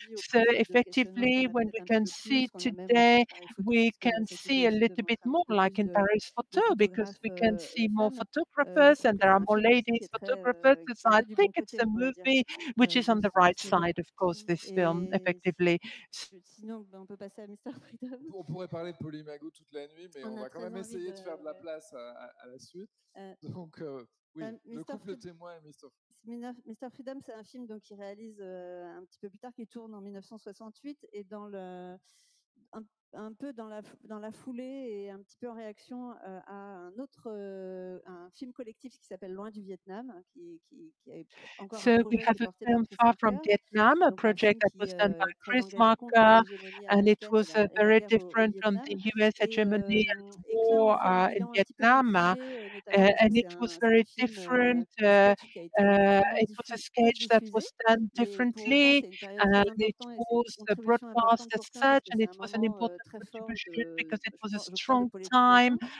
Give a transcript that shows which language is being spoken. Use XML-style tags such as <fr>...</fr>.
<en>So effectively, when we can see today, we can see a little bit more, like in Paris Photo, because we can see more photographers and there are more ladies photographers. So I think it's a movie which is on the right side, of course, this film, effectively.</en> <fr>Sinon, on peut passer à Mr. Freedom. On pourrait parler de Polymaco toute la nuit, mais on va quand même essayer de faire de la place à la suite. Donc, oui, Mister le couple Freedom, témoin et Mr. Freedom. Mr. Freedom, c'est un film qu'il réalise un petit peu plus tard, qui tourne en 1968, et dans un peu dans la foulée et un petit peu en réaction à un autre un film collectif qui s'appelle Loin du Vietnam qui a encore</fr> <en>so we have a film Far From Vietnam, a project that was done by Chris Marker, and it was very different from the US hegemony and war in Vietnam. And it was very different. It was a sketch that was done differently, and it was broadcast as such, and it was an important contribution because it was a strong time.</en>